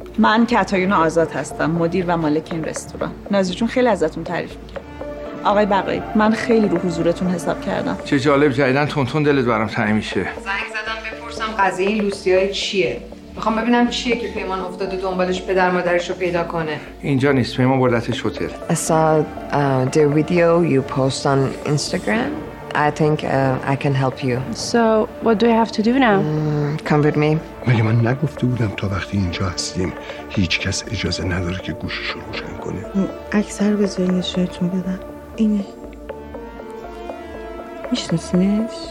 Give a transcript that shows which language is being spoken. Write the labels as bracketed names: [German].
[Persian] من کتایون آزاد هستم، مدیر و مالک این رستوران. نازی جون خیلی ازتون تعریف میکنم. آقای بقایی، من خیلی رو حضورتون حساب کردم. چه جالب، جدیدن تونتون دلت برام تنگ میشه. زنگ زدم بپرسم قضیه این لوسیای چیه؟ میخوام ببینم چیه که پیمان افتاده دنبالش پدر مادرش رو پیدا کنه. اینجا نیست، پیمان بردتش هتل. [English] I saw the video you post on Instagram. I think I can help you. So, what do I have to do now? Come with me. [Persian] مگه من نگفته بودم تا وقتی اینجا هستیم هیچ کس اجازه نداره که گوشش رو روشن کنه؟ اکثر بذارین نشونتون بدم. اینه. میشناسینش؟